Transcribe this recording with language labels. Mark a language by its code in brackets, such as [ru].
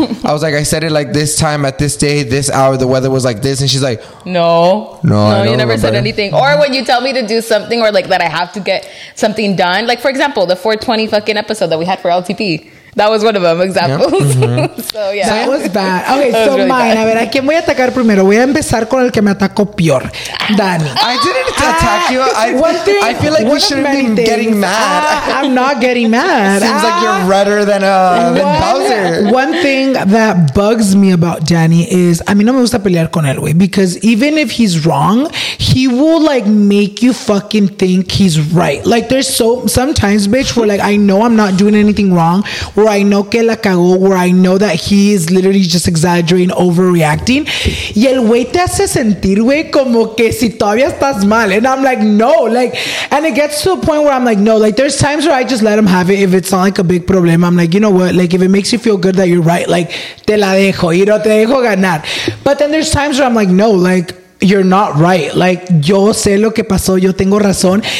[en] I was like, I said it like this time at this day, this hour, the weather was like this. And she's like, No, you never said anything. Or when you tell me to do something or like that I have to get something done. Like, for example, the 420 fucking episode that we had for LTP. That was one of them examples. Yep. So, yeah. That was bad. Okay, was so really mine. [es] Bad. A ver, ¿a quién voy a atacar primero? Voy a empezar con el que me atacó peor. Dani. [en] I didn't attack you. I feel like we shouldn't be things. Getting mad. I'm not getting mad. Seems like you're redder than Bowser. One thing that bugs me about Danny is, a mí no me gusta pelear con él, güey, because even if he's wrong, he will, like, make you fucking think he's right. Like, there's so... Sometimes, bitch, where, like, I know I'm not doing anything wrong... Where I know que la cagó, where I know that he is literally just exaggerating, overreacting. [es] Y el güey te hace sentir, güey, como que si todavía estás mal. [en] And I'm like, no. Like, and it gets to a point where I'm like, no. Like, there's times where I just let him have it if it's not like a big problem. I'm like, you know what? Like, if it makes you feel good that you're right, like, te la dejo. You know, te dejo ganar. But then there's times where I'm like, no, like, you're not right. Like, yo sé lo que pasó. Yo tengo razón.